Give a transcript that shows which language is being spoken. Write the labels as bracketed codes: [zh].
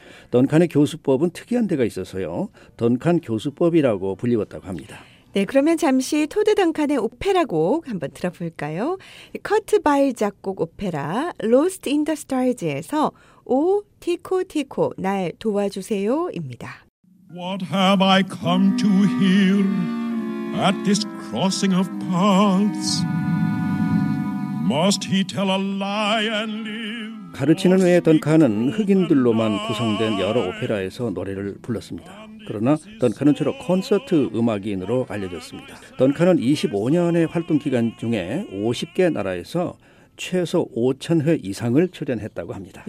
[ko] 던칸의 교수법은 특이한 데가 있어서요. 던칸 교수법이라고 불리웠다고 합니다. 네, 그러면 잠시 토드 던칸의 오페라 곡 한번 들어볼까요? 커트 바일 작곡 오페라 Lost in the Stars에서 오 티코 티코 날 도와주세요 입니다. [en] What have I come to hear at this crossing of paths? Must he tell a lie and live? [ko] 가르치는 후에 던칸은 흑인들로만 구성된 여러 오페라에서 노래를 불렀습니다. 그러나 던칸은 주로 콘서트 음악인으로 알려졌습니다. 던칸은 25년의 활동 기간 중에 50개 나라에서 최소 5,000회 이상을 출연했다고 합니다.